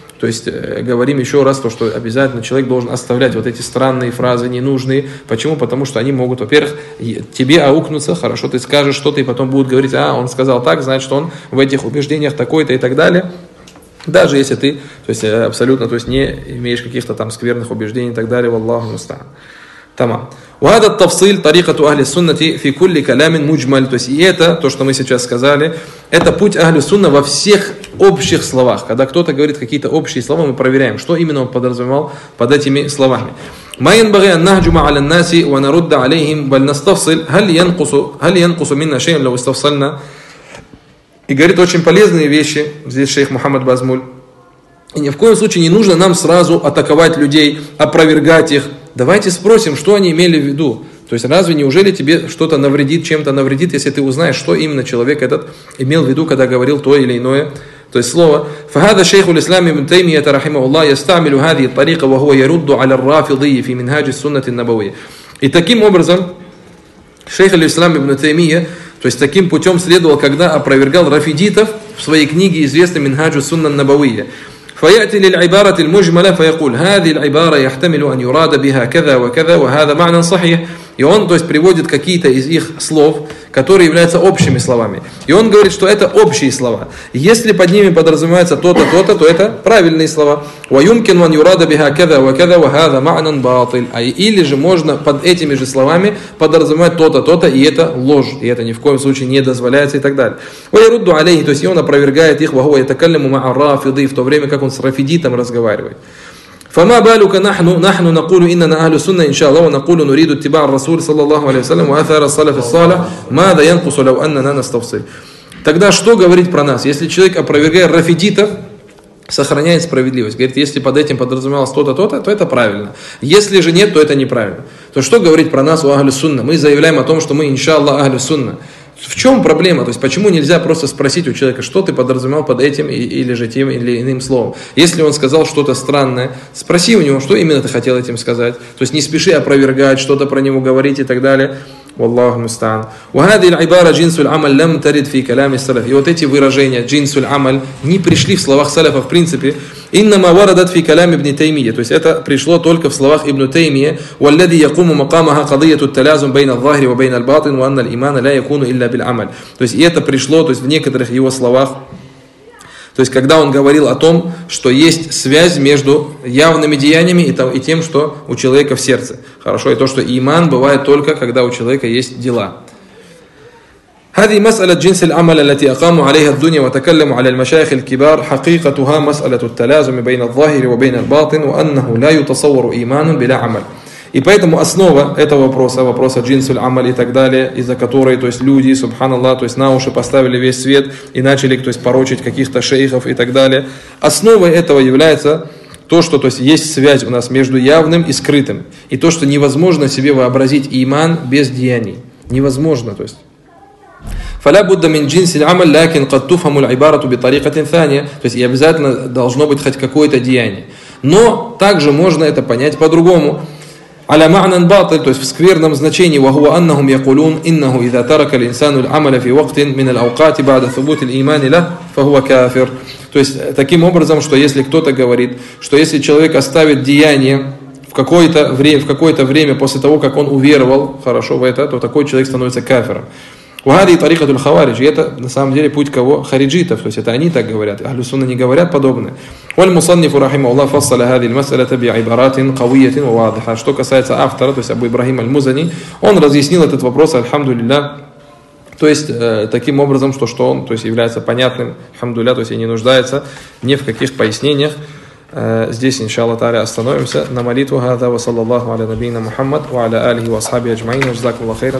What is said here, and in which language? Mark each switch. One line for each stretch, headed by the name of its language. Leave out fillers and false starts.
Russian: То есть говорим еще раз то, что обязательно человек должен оставлять вот эти странные фразы, ненужные. Почему? Потому что они могут, во-первых, тебе аукнуться, хорошо, ты скажешь что-то, и потом будут говорить, а, он сказал так, значит, он в этих убеждениях такой-то и так далее. Даже если ты, то есть абсолютно, то есть не имеешь каких-то там скверных убеждений и так далее,
Arabic: валлаху мустаан.
Russian: Тамам.
Arabic: وهذا التفصيل طريقة أهل السنة في كل كلام مجمل.
Russian: То есть и это, то, что мы сейчас сказали, это путь Ахли Сунна во всех общих словах. Когда кто-то говорит какие-то общие слова, мы проверяем, что именно он подразумевал под этими словами.
Arabic: مَا يَنْبَغِيَ النَّهْجُمَ عَلَى النَّاسِ وَنَرُدَّ عَلَيْهِمْ بَلْنَسْتَفْصِلْ هَلْ يَنْقُسُ مِنَّا شَيْءٍ لَوْ اسْتَفْصَلْنَا.
Russian: И говорит очень полезные вещи здесь шейх Мухаммад Базмуль. И ни в коем случае не нужно нам сразу атаковать людей, опровергать их. Давайте спросим, что они имели в виду. То есть разве неужели тебе что-то навредит, чем-то навредит, если ты узнаешь, что именно человек этот имел в виду, когда говорил то или иное. То есть слово.
Arabic: فهذا شيخ الإسلام ابن تيمية رحمه الله يستعمل هذه الطريقة وهو يرد على الرافضي في منهاج السنة النبوية.
Russian: И таким образом шейх الإسلام ابن تيمية, то есть таким путем следовал, когда опровергал рафидитов в своей книге известной Минхаджу Сунна ан-Набави.
Arabic: فيأتي للعبارة المجملة فيقول هذه العبارة يحتمل أن يراد بها كذا وكذا وهذا معنى صحيح.
Russian: И он, то есть, приводит какие-то из их слов, которые являются общими словами. И он говорит, что это общие слова. Если под ними подразумевается то-то, то-то, то это правильные слова.
Arabic: وَيُمْكِنْ وَنْ يُرَادَ بِهَا كَذَا وَكَذَا وَهَذَا مَعْنًا بَاطِلٍ.
Russian: Или же можно под этими же словами подразумевать то-то, то-то, и это ложь. И это ни в коем случае не дозволяется и так далее.
Arabic: وَيَرُدُّ عَلَيْهِ.
Russian: То есть, и он опровергает их.
Arabic: وَهُوَ يَتَكَلَّمُ مَعَ الرَّافِضِ.
Russian: В то время, как он с рафидитом разговаривает.
Arabic: فما بالك نحن نقول إننا أهل السنة إن شاء الله ونقول نريد اتباع الرسول صلى الله عليه وسلم وأثار السلف الصالح ماذا ينقص لو أننا نستفصل.
Russian: Тогда что говорить про нас, если человек опровергает рафидитов, сохраняет справедливость, говорит, если под этим подразумевалось то-то, то-то, то это правильно, если же нет, то это неправильно. То что говорить про нас, у Ахли Сунна, мы заявляем о том, что мы иншаллах Ахли Сунна. В чем проблема? То есть, почему нельзя просто спросить у человека, что ты подразумевал под этим или же тем или иным словом? Если он сказал что-то странное, спроси у него, что именно ты хотел этим сказать. То есть, не спеши опровергать, что-то про него говорить и так далее.
Arabic: Валлаху мустаан. وهذه العبارة جنس العمل لم ترد في كلام السلف.
Russian: И вот эти выражения جنس العمل не пришли в словах салафа в принципе.
Arabic: إنما وردت في كلام ابن تيمية.
Russian: То есть это пришло только в словах ابن تيمية.
Arabic: والذي يقوم مقامها قضية التلازم بين الظاهر وبين الباطن وأن الإيمان لا يكون إلا بالعمل.
Russian: То есть и это пришло, то есть в некоторых его словах. То есть когда он говорил о том, что есть связь между явными деяниями и тем, что у человека в сердце. Хорошо, и то, что иман бывает только, когда у человека есть дела.
Arabic: هذه مسألة جنس العمل التي أقاموا عليها الدنيا وتكلموا على المشايخ الكبار حقيقتها مسألة التلازم بين الظاهر وبين الباطن وأنه لا يتصور إيمان بلا عمل.
Russian: И поэтому основа этого вопроса, вопроса джинсу аль-амаль и так далее, из-за которой, то есть люди, субханаллах, то есть на уши поставили весь свет и начали, то есть порочить каких-то шейхов и так далее. Основой этого является то, что, то есть, есть связь у нас между явным и скрытым. И то, что невозможно себе вообразить иман без деяний. Невозможно, то есть.
Arabic: فلا بد من جنس العمل لكن قد تفهم العبارة بطريقة ثانية.
Russian: То есть и обязательно должно быть хоть какое-то деяние. Но также можно это понять по-другому.
Arabic: على معنى باطل,
Russian: то есть в скверном значении,
Arabic: وهو أنهم يقولون إنه إذا ترك الإنسان العمل في وقت من الأوقات بعد ثبوت الإيمان له فهو كافر.
Russian: То есть таким образом, что если кто-то говорит, что если человек оставит деяние в какое-то время после того, как он уверовал хорошо в это, то такой человек становится кафиром.
Arabic: وهذه طريقة الخوارج.
Russian: Это на самом деле путь кого? Хариджитов. То есть это они так говорят. Ахли Сунна не говорят подобное.
Arabic: والمصنف رحمه الله فصل هذه المسألة بعبارات قوية وواضحة.
Russian: Что касается автора, то есть Абу Ибрахим аль-Музани, он разъяснил этот вопрос, альхамдулилля. То есть таким образом, что он, то есть является понятным, альхамдулилля, то есть и не нуждается ни в каких пояснениях. Здесь, иншаллах тааля, остановимся на молитву.
Arabic: هذا وصلى الله على نبينا محمد وعلى آله وصحبه أجمعين. جزاكم الله خيرا.